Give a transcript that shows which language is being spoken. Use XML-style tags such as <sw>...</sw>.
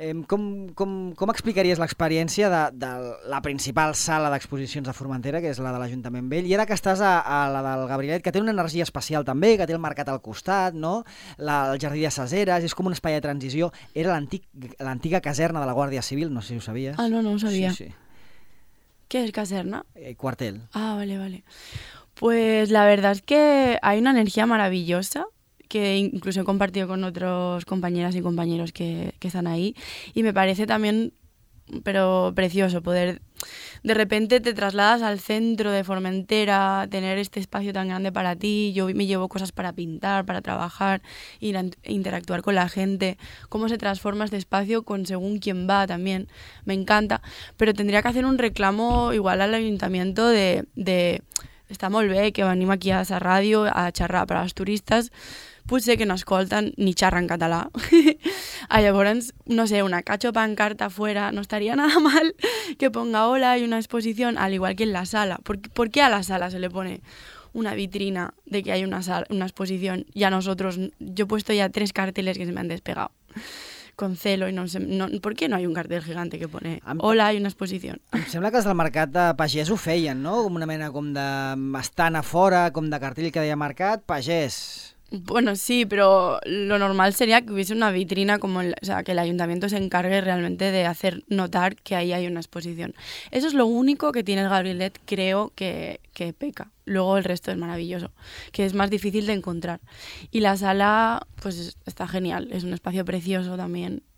<ca>Com explicaries l'experiència de la principal sala d'exposicions de Formentera, que és la de l'Ajuntament Vell, i ara que estàs a la del Gabrielet, que té una energia especial també, que té el mercat al costat, no? El Jardí de Ses Eres, és com un espai de transició. Era l'antiga caserna de la Guàrdia Civil, no sé si ho sabies. Ah, no ho sabia. Sí, sí.</ca> <es>¿Qué es caserna? Cuartel. Ah, vale. Pues la verdad es que hay una energía maravillosa que incluso he compartido con otros compañeras y compañeros que están ahí, y me parece también pero precioso poder de repente te trasladas al centro de Formentera, tener este espacio tan grande para ti. Yo me llevo cosas para pintar, para trabajar, ir a interactuar con la gente, cómo se transforma este espacio con según quién va también, me encanta. Pero tendría que hacer un reclamo igual al ayuntamiento de</es> <ca>está molt bé que venim aquí a la ràdio a xerrar per als turistes, potser que no escolten ni xerren català.</ca> <es>A llavors, no sé, una cacho pancarta fuera no estaria nada mal, que ponga hola y una exposición, al igual que en la sala. ¿Por qué a la sala se le pone una vitrina de que hay una exposición y a nosotros? Yo he puesto ya 3 carteles que se me han despegado con celo, y no sé, no, ¿por qué no hay un cartel gigante que pone hola, hay una exposición?</es> <ca>Em sembla que els del mercat de pagès ho feien, no? Com una mena com d'estant a fora, com de cartell que deia mercat, pagès.</ca> <es>Bueno, sí, pero lo normal sería que hubiese una vitrina, como el, o sea, que el ayuntamiento se encargue realmente de hacer notar que ahí hay una exposición. Eso es lo único que tiene el Gabrielet, creo que peca. Luego el resto es maravilloso, que es más difícil de encontrar. Y la sala, pues está genial, es un espacio precioso también.</es>